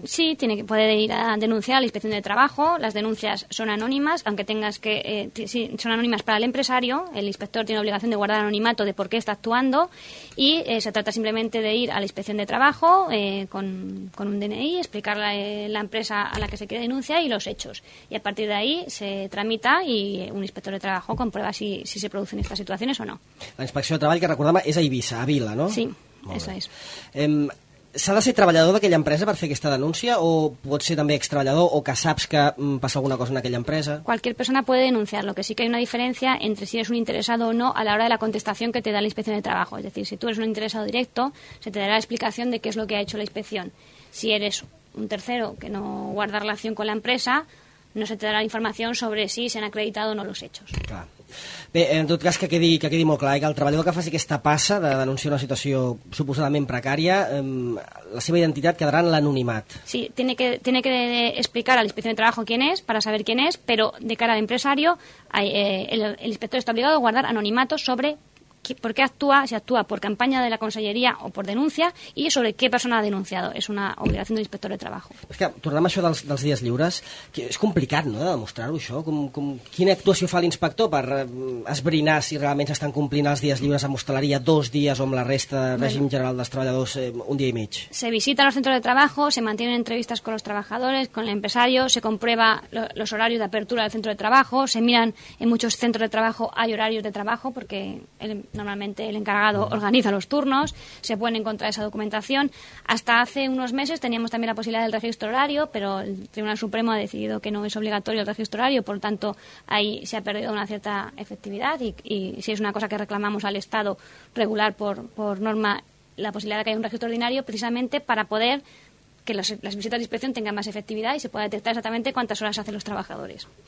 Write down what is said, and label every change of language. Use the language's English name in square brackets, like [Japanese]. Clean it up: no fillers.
[Spanish] Sí, tiene que poder ir a denunciar a la Inspección de Trabajo. Las denuncias son anónimas, aunque tengas que... sí, son anónimas para el empresario. El inspector tiene obligación de guardar anonimato de por qué está actuando. Y se trata simplemente de ir a la Inspección de Trabajo con un DNI, explicar la empresa a la que se quiere denunciar y los hechos. Y a partir de ahí se tramita y un inspector de trabajo comprueba si se producen estas situaciones o no. La inspección de trabajo que recordaba es a Eivissa, a Vila, ¿no? Sí, eso es. [Catalan] S'ha de ser treballador d'aquella empresa per fer aquesta denúncia o pot ser també extreballador o que saps que passa alguna cosa en aquella empresa? [Spanish] Cualquier persona puede denunciar, lo que sí que hay una diferencia entre si eres un interesado o no a la hora de la contestación que te da la inspección de trabajo. Es decir, si tú eres un interesado directo, se te dará la explicación de qué es lo que ha hecho la inspección. Si eres un tercero que no guarda relación con la empresa... no se te dará información sobre si se han acreditado o no los hechos. [Catalan] Clar. Bé, en tot cas, que quedi molt clar, que el treballador que faci aquesta passa de denunciar una situació suposadament precària, la seva identitat quedarà en l'anonimat. [Spanish] Sí, tiene que explicar a la Inspección de Trabajo quién es, para saber quién es, pero de cara al empresario, el inspector está obligado a guardar anonimato sobre por qué actúa, si actúa por campaña de la Conselleria o por denuncia, y sobre qué persona ha denunciado. Es una obligación del inspector de trabajo. [Catalan] És que, tornem a això dels dies lliures, que és complicat, no?, de demostrar-ho, això. Com, quina actuació fa l'inspector per esbrinar si realment s'estan complint els dies lliures amb hostaleria 2 dies o amb la resta del règim general dels treballadors 1 dia i mig? [Spanish] Se visitan los centros de trabajo, se mantienen entrevistas con los trabajadores, con el empresario, se comprueba los horarios de apertura del centro de trabajo, se miran en muchos centros de trabajo hay horarios de trabajo, porque normalmente el encargado organiza los turnos, se pueden encontrar esa documentación. Hasta hace unos meses teníamos también la posibilidad del registro horario, pero el Tribunal Supremo ha decidido que no es obligatorio el registro horario, por lo tanto, ahí se ha perdido una cierta efectividad y si es una cosa que reclamamos al Estado regular por norma, la posibilidad de que haya un registro ordinario precisamente para poder que las visitas de inspección tengan más efectividad y se pueda detectar exactamente cuántas horas hacen los trabajadores.